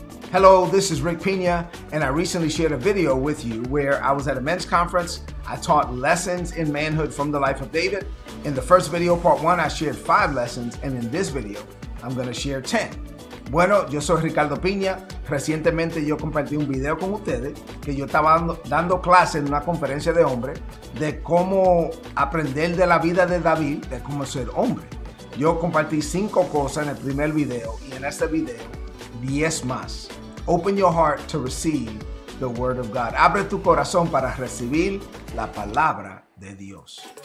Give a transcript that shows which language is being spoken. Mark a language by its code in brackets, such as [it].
[en] Hello, this is Rick Piña, and I recently shared a video with you where I was at a men's conference. I taught lessons in manhood from the life of David. In the first video, part one, I shared 5 lessons, and in this video, I'm going to share 10. [es] Bueno, yo soy Ricardo Piña. Recientemente yo compartí un video con ustedes que yo estaba dando clase en una conferencia de hombre de cómo aprender de la vida de David, de cómo ser hombre. Yo compartí 5 cosas en el primer video y en este video, 10 más. [en] Open your heart to receive the word of God. [es] Abre tu corazón para recibir la palabra de Dios.